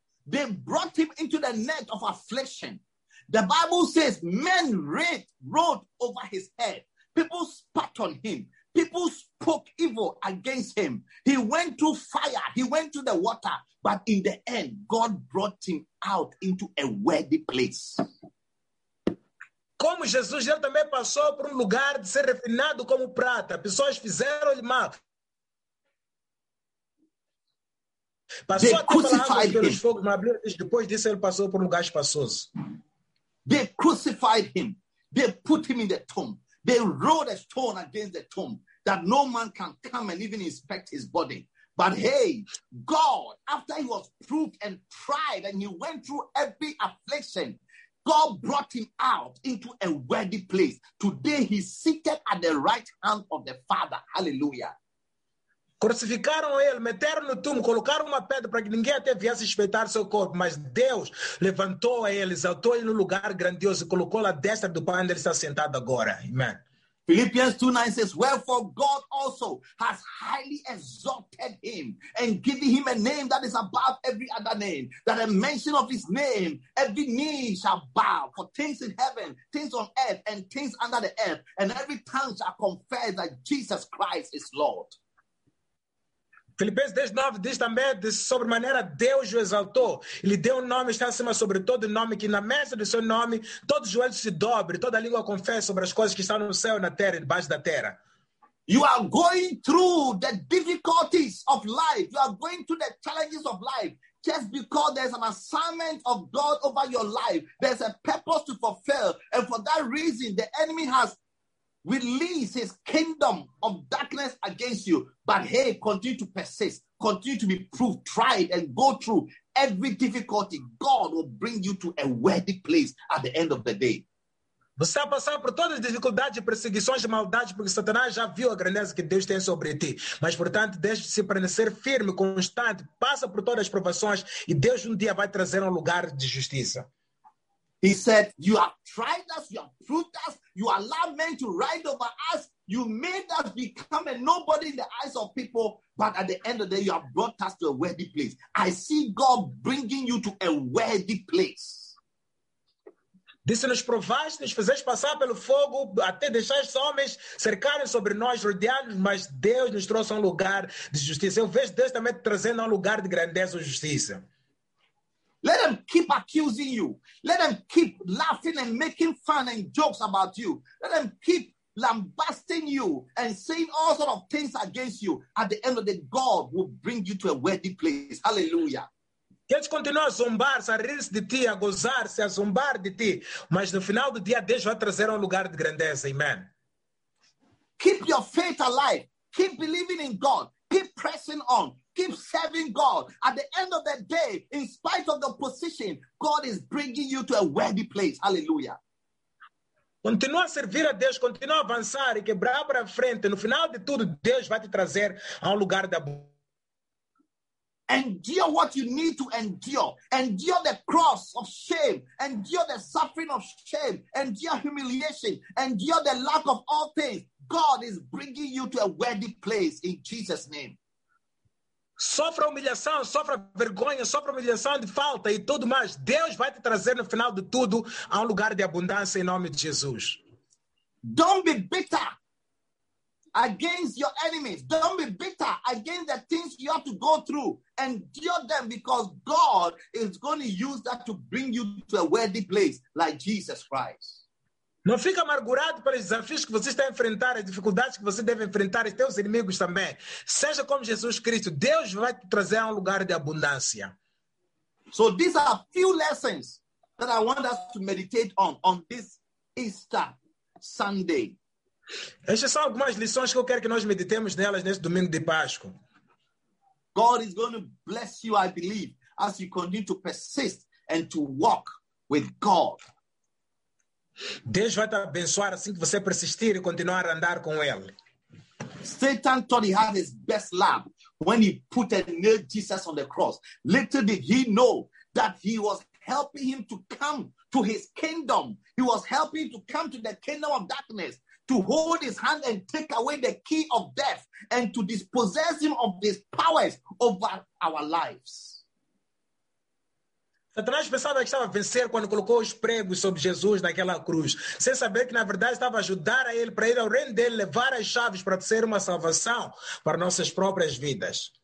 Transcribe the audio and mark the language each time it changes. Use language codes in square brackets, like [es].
[en] They brought him into the net of affliction. The Bible says men wrote over his head. People spat on him. People spoke evil against him. He went through fire. He went through the water. But in the end, God brought him out into a worthy place. [pt] Como Jesus, ele também passou por lugar de ser refinado como prata. Pessoas fizeram-lhe mal. [en] They crucified him. [pt] Depois disso, ele passou por um lugar espaçoso. [en] They crucified him. They put him in the tomb. They rolled a stone against the tomb that no man can come and even inspect his body. But hey, God, after he was proved and tried and he went through every affliction, God brought him out into a worthy place. Today, he's seated at the right hand of the Father. Hallelujah. [pt] Crucificaram ele, meteram no túmulo, colocaram uma pedra para que ninguém até viesse espetar seu corpo. Mas Deus levantou a ele, exaltou ele no lugar grandioso e colocou-o à destra do Pai, onde ele está sentado agora. Amen. [en] Philippians 2:9 says, "Wherefore God also has highly exalted him and given him a name that is above every other name, that at mention of his name every knee shall bow, for things in heaven, things on earth, and things under the earth, and every tongue shall confess that Jesus Christ is Lord." [pt] Filipenses 2:9 diz também de sobremaneira Deus o exaltou. Ele deu um nome, está acima sobre todo nome, que na mesa do seu nome, todo joelho se dobre, toda língua confesse sobre as coisas que estão no céu, na terra e debaixo da terra. [en] You are going through the difficulties of life. You are going through the challenges of life. Just because there's an assignment of God over your life, there's a purpose to fulfill. And for that reason, the enemy has release his kingdom of darkness against you. But hey, continue to persist. Continue to be proved, tried, and go through every difficulty. God will bring you to a worthy place at the end of the day. [pt] Você está passando por todas as dificuldades, perseguições e maldades, porque Satanás já viu a grandeza que Deus tem sobre ti. Mas, portanto, deixe-se permanecer firme, constante. Passa por todas as provações e Deus um dia vai trazer um lugar de justiça. [en] He said, "You have tried us, you have proved us, you allow men to ride over us, you made us become a nobody in the eyes of people, but at the end of the day, you have brought us to a worthy place." I see God bringing you to a worthy place. [pt] Disse, nos provaste, nos fizeste passar pelo fogo, até deixaste homens cercarem sobre nós, rodeados, mas Deus nos trouxe a um lugar de justiça. Eu vejo Deus também trazendo a um lugar de grandeza e justiça. [en] Let them keep accusing you. Let them keep laughing and making fun and jokes about you. Let them keep lambasting you and saying all sort of things against you. At the end of the day, God will bring you to a worthy place. Hallelujah. [pt] Que eles continuam a zombar-se, a rir-se de ti, a gozar-se, a zombar de ti. Mas no final do dia, Deus vai trazer um lugar de grandeza. Amen. [en] Keep your faith alive. Keep believing in God. Keep pressing on. Keep serving God. At the end of the day, in spite of the position, God is bringing you to a worthy place. Hallelujah. [pt] Continua a servir a Deus, continua a avançar e quebrar para frente. No final de tudo, Deus vai te trazer a lugar da boa. [en] Endure what you need to endure. Endure the cross of shame. Endure the suffering of shame. Endure humiliation. Endure the lack of all things. God is bringing you to a worthy place in Jesus' name. [pt] Sofra humilhação, sofra vergonha, sofra humilhação de falta e tudo mais. Deus vai te trazer no final de tudo a lugar de abundância em nome de Jesus. [en] Don't be bitter against your enemies. Don't be bitter against the things you have to go through. Endure them because God is going to use that to bring you to a worthy place like Jesus Christ. [pt] Não fique amargurado pelos desafios que você está a enfrentar, as dificuldades que você deve enfrentar, e teus inimigos também. Seja como Jesus Cristo, Deus vai te trazer a lugar de abundância. [en] So these are a few lessons that I want us to meditate on this Easter Sunday. [pt] Estas são algumas lições que eu quero que nós meditemos nelas neste domingo de Páscoa. [en] God is going to bless you, I believe, as you continue to persist and to walk with God. [pt] Deus vai te abençoar assim que você persistir e continuar a andar com Ele. [en] Satan thought he had his best lab when he put a nail Jesus on the cross. Little did he know that he was helping him to come to his kingdom. He was helping to come to the kingdom of darkness, to hold his hand and take away the key of death and to dispossess him of his powers over our lives. [pt] Satanás pensava que estava a vencer quando colocou os pregos sobre Jesus naquela cruz, sem saber que, na verdade, estava a ajudar a ele para ir ao reino dele, levar as chaves para ser uma salvação para nossas próprias vidas.